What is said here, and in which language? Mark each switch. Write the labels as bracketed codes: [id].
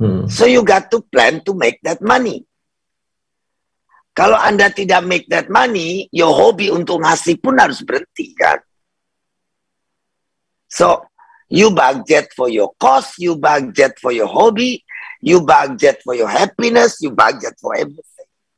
[en] So you got to plan to make that money. [id] Kalau Anda tidak [en] make that money, your hobby [id] untuk ngasih pun harus berhenti, kan? [en] So, you budget for your cost, you budget for your hobby, you budget for your happiness, you budget for everything.